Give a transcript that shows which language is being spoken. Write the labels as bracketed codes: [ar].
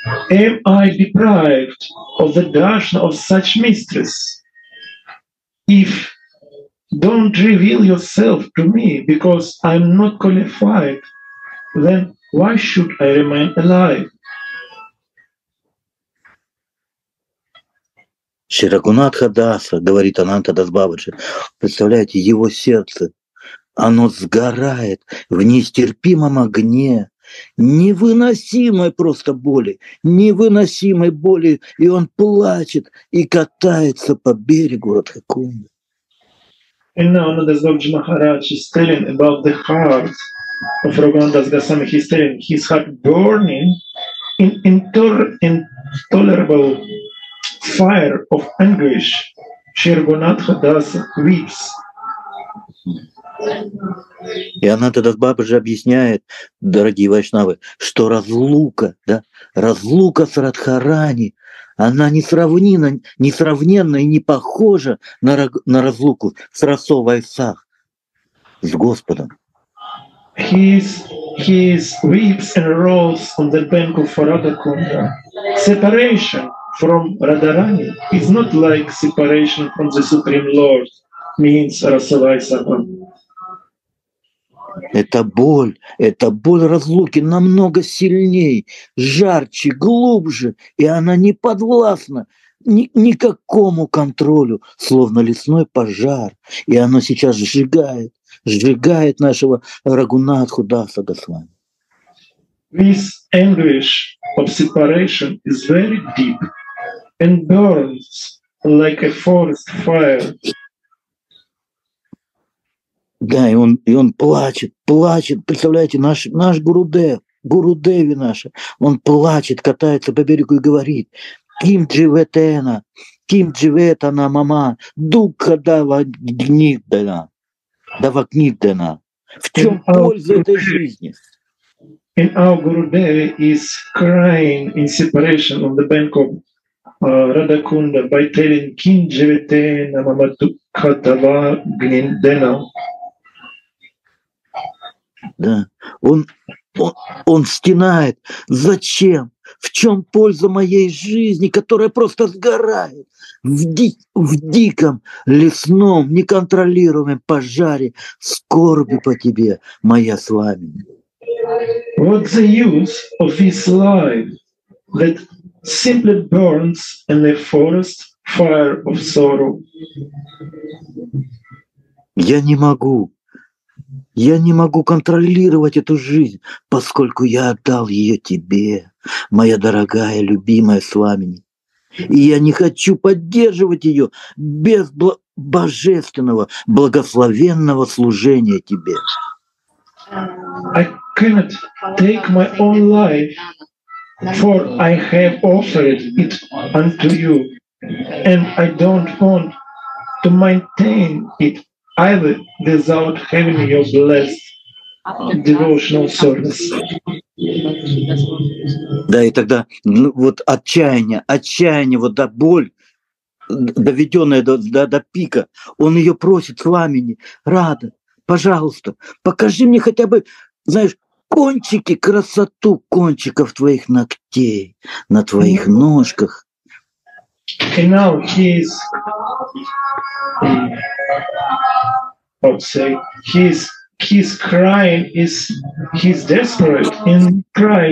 [en] Am I deprived of the darshan of such mistress? If don't reveal yourself to me because I'm not qualified, then why should I remain alive? [ru] Шри Рагунатха Даса, говорит Ананта Дас Бабаджи, представляете, его сердце, оно сгорает в нестерпимом огне, невыносимой просто боли, невыносимой боли, и он плачет и катается по берегу Радхакунды. [en] И now Ananta Das Babaji Maharaj is telling about the heart of Raghunanda Das Goswami. He's telling his heart burning in intolerable fire of anguish. Shri Raghunatha Das weeps. [ru] И Ананта Дас Бабаджи объясняет, дорогие вайшнавы, что разлука, да, разлука с Радхарани, она несравненна и не похожа на разлуку с Расо Вайсах, с Господом. [en] He weeps and rolls on the bank of Radhakunda. Separation from Radharani is not like separation from the Supreme Lord, means Расо Вайсах. [ru] Это боль разлуки намного сильней, жарче, глубже, и она не подвластна никакому контролю, словно лесной пожар. И она сейчас сжигает, сжигает нашего Рагунатху Даса Госвами. [en] This anguish of separation is very deep and burns like a forest fire. [ru] Да, и он плачет, плачет. Представляете, наш Гурудев, Гурудеви наша, он плачет, катается по берегу и говорит: [sa] «Ким дживетена, ким дживетана мама, дукха дава книгдена, [ru] дава книгдена». В чем польза этой жизни? [en] In our Gurudevi is crying in separation on the bank of Radhakunda by telling [sa] «Ким дживетена мама, дукха дава книгдена». [ru] Да, он стенает. Зачем? В чем польза моей жизни, которая просто сгорает в диком лесном неконтролируемом пожаре скорби по тебе, моя с вами? [en] What the use of this life that simply burns in a forest fire of sorrow? [ru] Я не могу. Я не могу контролировать эту жизнь, поскольку я отдал ее тебе, моя дорогая, любимая Свамини. И я не хочу поддерживать ее без божественного, благословенного служения тебе. [en] I cannot take my own life, for I have offered it unto you, and I don't want to maintain it either without having your blessed devotional service. [ru] Да, и тогда вот отчаяние, вот до боль, доведенная до пика, он ее просит с вами, рада, пожалуйста, покажи мне хотя бы, знаешь, кончики, красоту кончиков твоих ногтей на твоих ножках. [en] And now he is, he's crying, he's desperate in cry.